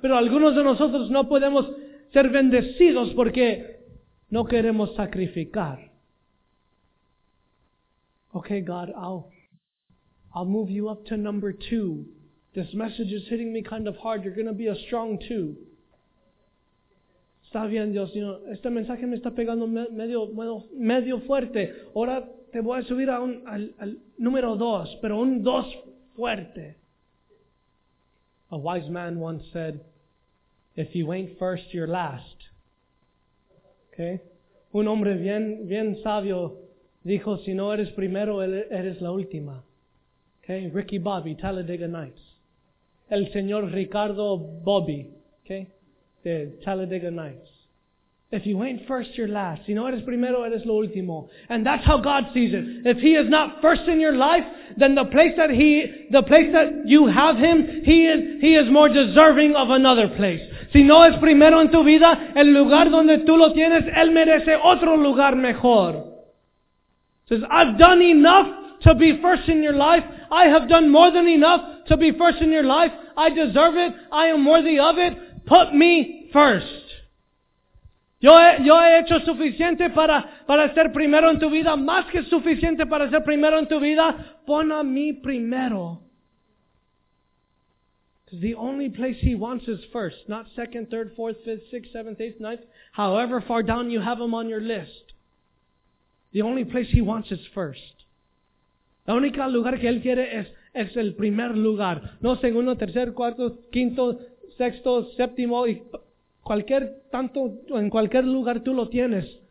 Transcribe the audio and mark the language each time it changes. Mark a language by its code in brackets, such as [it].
[es] Pero algunos de nosotros no podemos ser bendecidos porque no queremos sacrificar. [en] Okay, God, I'll move you up to number two. This message is hitting me kind of hard. You're going to be a strong two. [es] Está bien, Dios. [en] You know, [es] este mensaje me está pegando medio fuerte. Ahora te voy a subir al número dos, pero un dos fuerte. [en] A wise man once said, if you ain't first, you're last. Okay? [es] Un hombre bien sabio dijo, si no eres primero, eres la última. [en] Okay? Ricky Bobby, Talladega Nights. El señor Ricardo Bobby. Okay? De Talladega Nights. If you ain't first, you're last. [es] Si no eres primero, eres lo último. [en] And that's how God sees it. If He is not first in your life, then the place that you have Him, He is more deserving of another place. [es] Si no es primero en tu vida, el lugar donde tú lo tienes, Él merece otro lugar mejor. [en] Says, I've done enough to be first in your life. I have done more than enough to be first in your life. I deserve it. I am worthy of it. Put me first. [es] Yo he hecho suficiente para ser primero en tu vida, más que suficiente para ser primero en tu vida. Pon a mí primero. [en] Because the only place He wants is first, not second, third, fourth, fifth, sixth, seventh, eighth, ninth, however far down you have Him on your list. The only place He wants is first. [es] La única lugar que Él quiere es el primer lugar. No segundo, tercer, cuarto, quinto, sexto, séptimo y... Cualquier tanto, en cualquier lugar tú lo tienes.